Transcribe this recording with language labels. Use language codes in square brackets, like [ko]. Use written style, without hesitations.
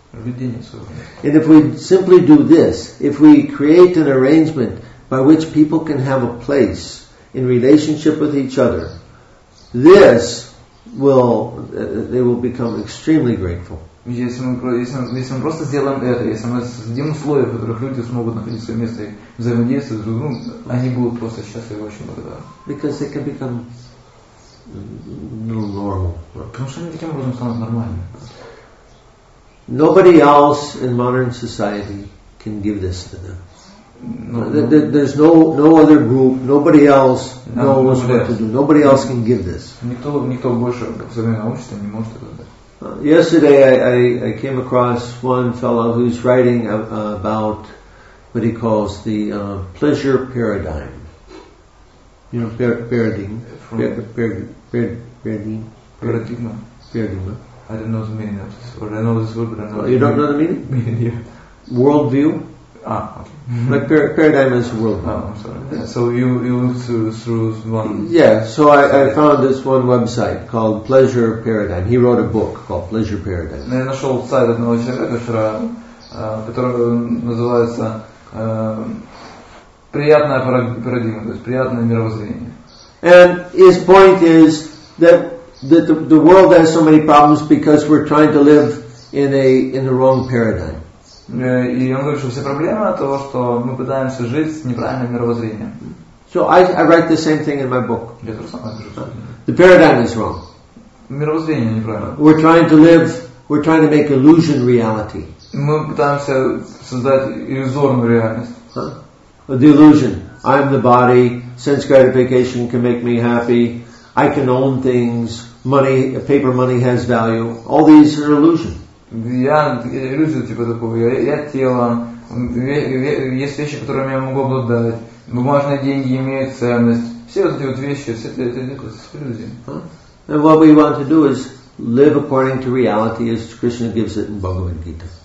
[en] And if we simply do this, if we create an arrangement by which people can have a place in relationship with each other, this will they will become extremely grateful. [ru] Если мы просто сделаем это, если мы создадим условия, в которых люди смогут находить свое место и взаимодействовать с другим, они будут просто счастливы и очень благодарны. [en] Because they can become normal. [ru] Потому что они таким образом станут нормальными. [en] Nobody else in modern society can give this to them. There's no other group, nobody else knows what to do. Nobody else can give this. [ru] Никто больше в современном обществе не может это дать. [en] Yesterday I came across one fellow who's writing about what he calls the pleasure paradigm. You know, paradigma. I don't know the meaning of this word. I know this word, but I don't know. You don't know the meaning? Meaning, yeah. Worldview? Ah, okay. Like paradigm is worldview. Oh, I'm sorry. Yeah, so you look through one... Yeah, so I found this one website called Pleasure Paradigm. He wrote a book called Pleasure Paradigm. [ru] Я нашел сайт одного человека вчера, который называется «Приятная парадигма», то есть «Приятное мировоззрение». [en] And his point is that the world has so many problems because we're trying to live in the wrong paradigm. [ru] И он говорит, что все проблемы от того, что мы пытаемся жить с неправильным мировоззрением. [en] So I write the same thing in my book. [ru] Я тоже самое пишу. [en] The paradigm is wrong. [ru] Мировоззрение неправильное. [en] We're trying to make illusion reality. [ru] Мы пытаемся создать иллюзорную реальность. [en] The illusion. I'm the body. Sense gratification can make me happy. I can own things. Money, paper money has value. All these are illusion. [ru] Я иллюзию типа такую. Я тело. Есть вещи, которыми я могу обладать. Бумажные деньги имеют ценность. Все вот эти вот вещи, все это иллюзия. [en] And what we want to do is live according to reality as Krishna gives it in Bhagavad Gita.